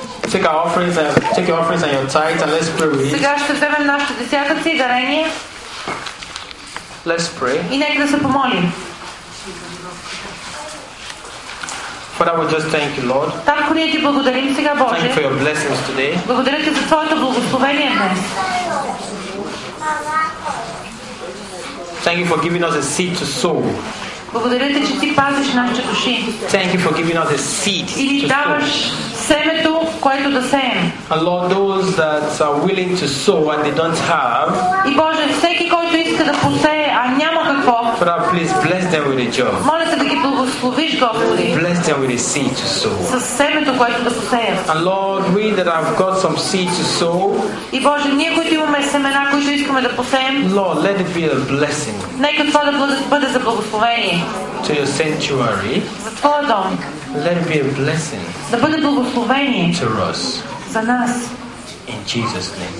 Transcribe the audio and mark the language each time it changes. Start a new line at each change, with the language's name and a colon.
English: Take our offerings and take your offerings and your tithes and let's pray with you.
Bulgarian: Ще вземем нашите десятъци и дарения.
English: Let's pray.
Bulgarian: И нека да се помолим.
English: Father, we just thank you, Lord.
Bulgarian: Татко, ние ти благодарим сега, Боже.
English: Thank you for your blessings today.
Bulgarian: Благодаря ти за твоето благословение днес.
English: Thank you for giving us a seed to sow.
Bulgarian: Благодаря ти, че ти пазиш нашите души.
English: Thank you for giving us a seed to sow.
Bulgarian: И ни даваш семето, което да сеем.
English: And Lord, those that are willing to sow and they don't have.
Bulgarian: И Боже, всеки който иска да посее, а няма какво.
English: Father, please bless them with a job.
Bulgarian: Моля се да ги благословиш, Господи.
English: Bless them with a seed to sow.
Bulgarian: С семето, което да посеем.
English: And Lord, we that have got some seed to sow.
Bulgarian: И Боже, ние които имаме семена, които искаме да посеем.
English: Lord, let it be a blessing.
Bulgarian: Нека това да бъде за благословение.
English: To your sanctuary.
Bulgarian: За твоя дом.
English: Let it be a blessing.
Bulgarian: Да бъде благословение.
English: To us.
Bulgarian: За нас.
English: In Jesus' name.